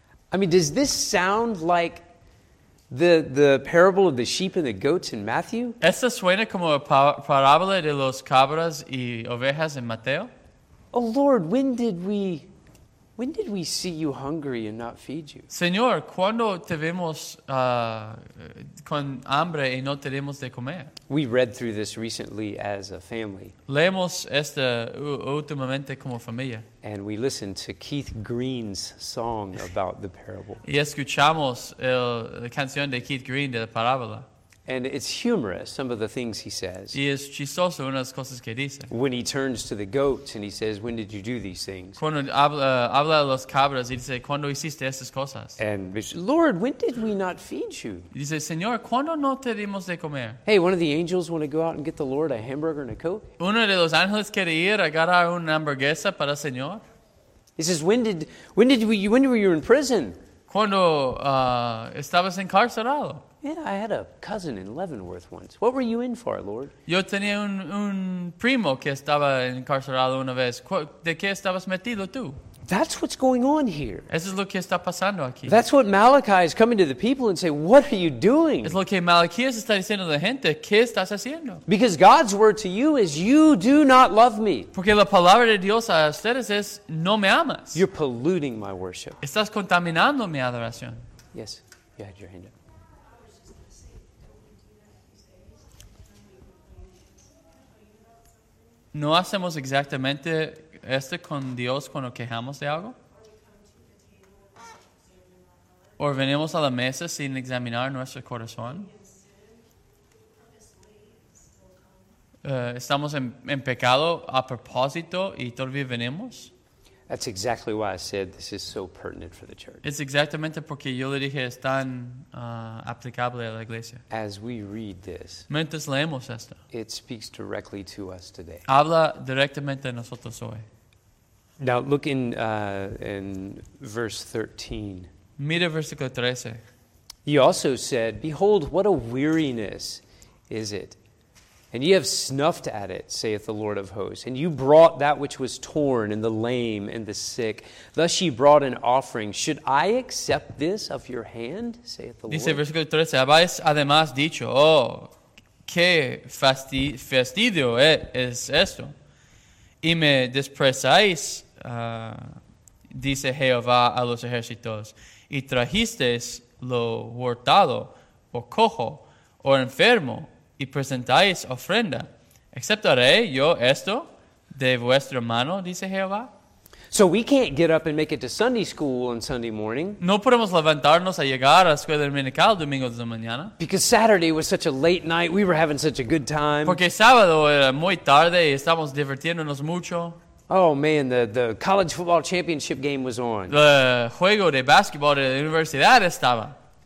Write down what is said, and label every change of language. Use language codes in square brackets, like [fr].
[en] I mean, does this sound like the parable of the sheep and the goats in Matthew? [es] ¿Esta suena como la parábola de los cabras y ovejas en Mateo? [en] Oh, Lord, when did we see you hungry and not feed you? [es] Señor, ¿cuándo te vemos con hambre y no tenemos de comer? [en] We read through this recently as a family. [es] Leemos esto últimamente como familia. [en] And we listened to Keith Green's song about the parable. [es] Y escuchamos la canción de Keith Green de la parábola. [en] And it's humorous, some of the things he says. [es] Y es chistoso unas cosas que dice. [en] When he turns to the goats and he says, when did you do these things? [es] Cuando habla a los cabras y dice, ¿cuándo hiciste estas cosas? [en] And Lord, when did we not feed you? [es] Y dice, Señor, ¿cuándo no te dimos de comer? [en] Hey, one of the angels want to go out and get the Lord a hamburger and a Coke? [es] ¿Uno de los ángeles quiere ir a agarrar una hamburguesa para el Señor? [en] He says, when were you in prison? [es] Cuando estabas encarcelado. [en] Yeah, I had a cousin in Leavenworth once. What were you in for, Lord? [es] Yo tenía un primo que estaba encarcelado una vez. ¿De qué estabas metido tú? [en] That's what's going on here. [es] Eso es lo que está pasando aquí. [en] That's what Malachi is coming to the people and saying, what are you doing? [es] Es lo que Malachi está diciendo a la gente. ¿Qué estás haciendo? [en] Because God's word to you is, you do not love me. [es] Porque la palabra de Dios a ustedes es, no me amas. [en] You're polluting my worship. [es] Estás contaminando mi adoración. [en] Yes, you had your hand up. [es] ¿No hacemos exactamente esto con Dios cuando quejamos de algo? ¿O venimos a la mesa sin examinar nuestro corazón? ¿Estamos en pecado a propósito y todavía venimos? [en] That's exactly why I said this is so pertinent for the church. [es] Es exactamente porque yo le dije es tan aplicable a la iglesia. [en] As we read this, [es] mientras leemos esto, [en] it speaks directly to us today. [es] Habla directamente a nosotros hoy. [en] Now look in verse 13. [es] Mira versículo 13. [en] He also said, "Behold, what a weariness is it! And ye have snuffed at it, saith the Lord of hosts. And you brought that which was torn, and the lame, and the sick. Thus ye brought an offering. Should I accept this of your hand, saith the [es] Dice, [en] Lord? [es] Dice versículo 13, habéis además dicho, oh, qué fastidio es esto. Y me desprezáis, dice Jehová a los ejércitos, y trajisteis lo hurtado, o cojo, o enfermo, y presentáis ofrenda. ¿Aceptaré yo esto de vuestra mano? Dice Jehová. [en] So we can't get up and make it to Sunday school on Sunday morning. [es] No podemos levantarnos a llegar a escuela dominical domingo de mañana. [en] Because Saturday was such a late night. We were having such a good time. [es] Porque sábado era muy tarde y estamos divirtiéndonos mucho. [en] Oh man, the college football championship game was on. [es] El juego de basketball de la universidad estaba.